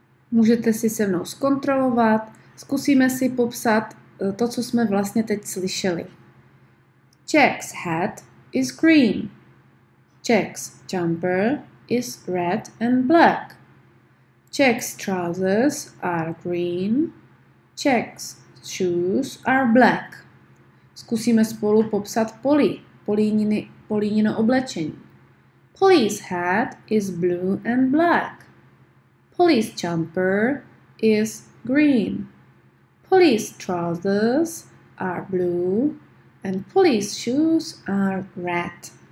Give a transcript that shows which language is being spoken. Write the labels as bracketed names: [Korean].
[Czech] Můžete si se mnou zkontrolovat. Zkusíme si popsat to, co jsme vlastně teď slyšeli. [English] Jack's hat is green. Jack's jumper is red and black. Jack's trousers are green. Jack's shoes are black. [Czech] Zkusíme spolu popsat Polly, Pollyino oblečení. [English] Polly's hat is blue and black. Polly's jumper is green. Polly's trousers are blue and Polly's shoes are red.